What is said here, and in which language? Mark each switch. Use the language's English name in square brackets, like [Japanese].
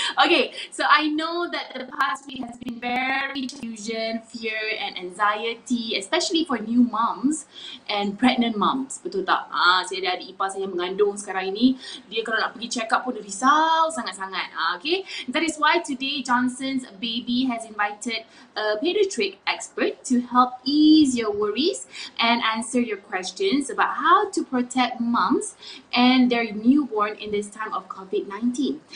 [English] Okay, so I know that the past week has been very confusion, fear and anxiety, especially for new moms and pregnant moms. [Malay] Betul tak? Saya ada adik ipar saya yang mengandung sekarang ini. Dia kalau nak pergi check up pun risau sangat-sangat. [English] Okay, that is why today Johnson's Baby has invited a pediatric expert to help ease your worries and answer your questions about how to protect moms and their newborn in this time of COVID-19.